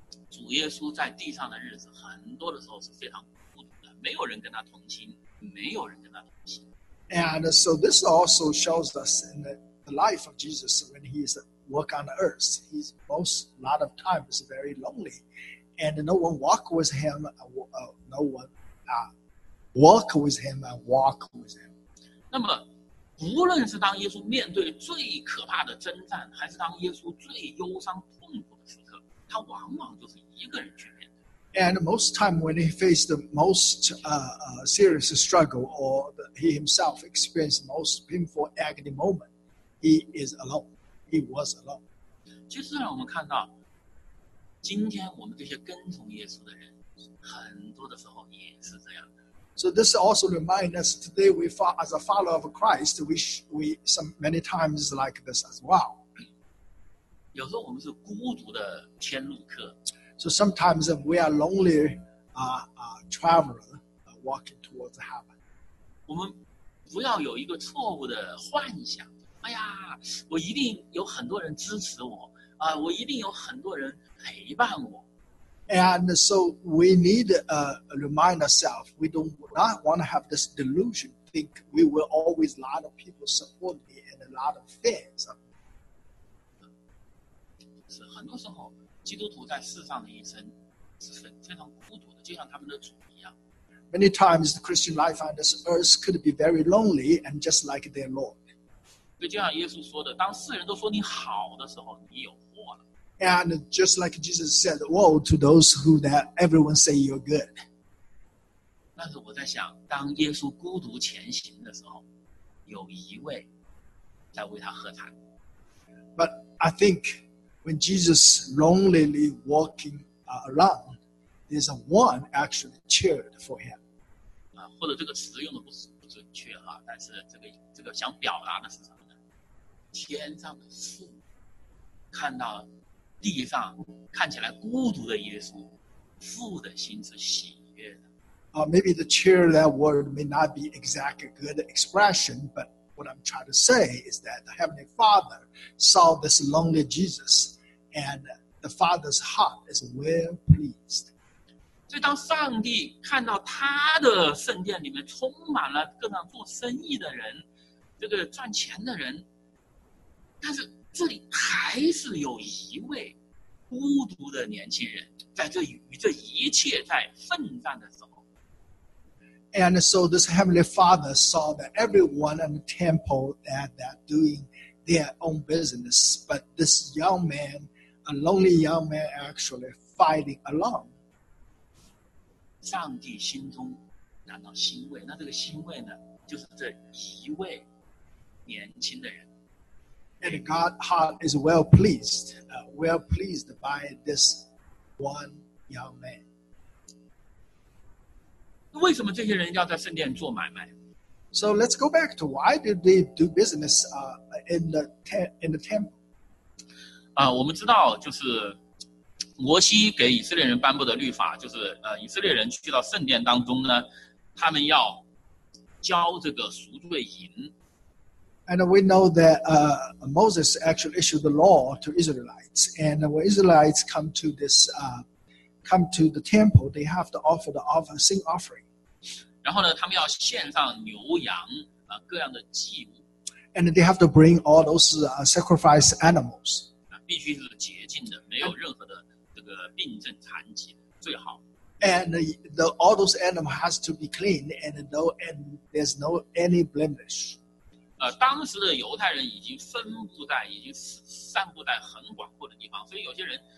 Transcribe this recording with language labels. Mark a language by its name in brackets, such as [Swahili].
[Chinese] 主耶稣在地上的日子，很多的时候是非常孤独的，没有人跟他同心，没有人跟他同心。 [English] And so this also shows us in the life of Jesus when he is walk on earth, he's most lot of times very lonely, and no one walk with him, no one walk with him and walk with him. [Chinese] 那么，无论是当耶稣面对最可怕的征战，还是当耶稣最忧伤痛苦的时刻。他往往就是一个人去面对。 [English] And most time when he faced the most serious struggle or he himself experienced most painful agony moment, he is alone. He was alone. [Chinese] 其实让我们看到，今天我们这些跟从耶稣的人，很多的时候也是这样的。 [English] So this also reminds us today, as a follower of Christ, we some many times like this as well. [Chinese] 有时候我们是孤独的天路客。 [English] So sometimes we are lonely, traveler, walking towards heaven. [Chinese] 我们不要有一个错误的幻想。哎呀，我一定有很多人支持我啊，我一定有很多人陪伴我。 [English] And so we need remind ourselves, we don't want to have this delusion, think we will always lot of people support me and a lot of fans. [Chinese] 很多时候基督徒在世上的一生是非常孤独的，就像他们的主一样。 [English] Many times the Christian life on this earth could be very lonely and just like their Lord. [Chinese] 所以就像耶稣说的，当世人都说你好的时候，你有祸了。 [English] And just like Jesus said, woe to those who that everyone say you're good. [Chinese] 但是我在想，当耶稣孤独前行的时候，有一位在为他喝彩。 [English] But I think when Jesus lonelyly walking around, there's a one actually cheered for him. [Chinese] 啊，或者这个词用的不准确哈，但是这个想表达的是什么呢？天上的父看到地上看起来孤独的耶稣，父的心是喜悦的。 [English] Maybe the cheer that word may not be exactly good expression, but what I'm trying to say is that the Heavenly Father saw this lonely Jesus, and the Father's heart is well pleased. [Chinese] 所以当上帝看到他的圣殿里面充满了各样做生意的人，这个赚钱的人，但是这里还是有一位孤独的年轻人，在这与这一切在奋战的时候。 [English] And so this Heavenly Father saw that everyone in the temple that doing their own business, but this young man, a lonely young man, actually fighting alone. [Chinese] 上帝心中感到欣慰，那这个欣慰呢，就是这一位年轻的人。 [English] And God's heart is well pleased by this one young man. [Chinese] 为什么这些人要在圣殿做买卖 [English] ？So let's go back to why did they do business in the temple？ [Chinese] 我们知道就是摩西给以色列人颁布的律法，就是以色列人去到圣殿当中呢，他们要交这个赎罪银。 [English] And we know that Moses actually issued the law to Israelites, and when Israelites come to the temple, they have to offer the sin offering. [Chinese] 然后呢，他们要献上牛羊各样的祭物。 [English] And they have to bring all those sacrifice animals. [Chinese] 必须是洁净的，没有任何的这个病症残疾，最好。 [English] And all those animals has to be clean, and there's no any blemish. [Chinese] 当时的犹太人已经散布在很广阔的地方，所以有些人。